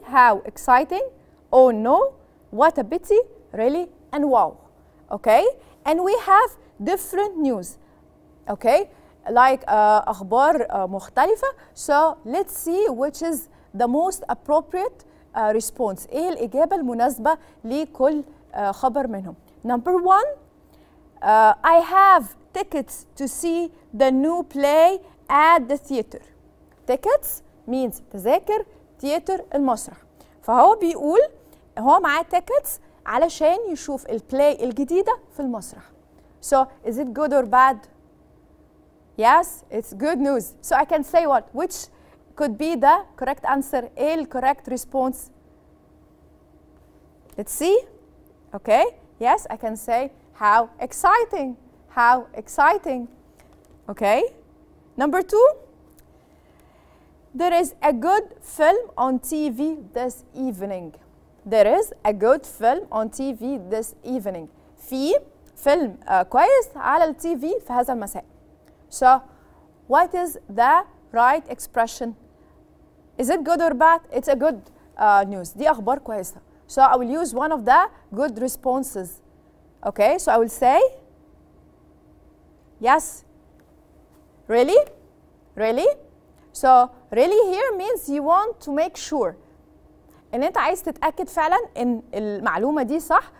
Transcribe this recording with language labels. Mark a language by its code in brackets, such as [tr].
[en] How exciting. Oh no. What a pity. Really. And wow. okay? And we have different news, okay? [ar] Like أخبار مختلفة. [en] So let's see which is the most appropriate response. [ar] إيه الإجابة المناسبة لكل خبر منهم. [en] Number one, I have tickets to see the new play at the theater. Tickets means [ar] تذاكر تياتر المسرح. فهو بيقول هو معاه tickets علشان يشوف البلاي الجديدة في المسرح. [en] So is it good or bad? Yes, it's good news. So I can say what? Which could be the correct answer? A, correct response. Let's see. Okay. Yes, I can say how exciting. How exciting. Okay. Number two. There is a good film on TV this evening. There is a good film on TV this evening. [ar] في فيلم كويس على التي في في هذا المساء. [en] So, what is the right expression? Is it good or bad? It's a good news. [ar] دي أخبار كويسة. [en] So, I will use one of the good responses. Okay, so I will say, yes. Really? Really? So, really here means you want to make sure. [ar] إن أنت عايز تتأكد فعلا إن المعلومة دي صح.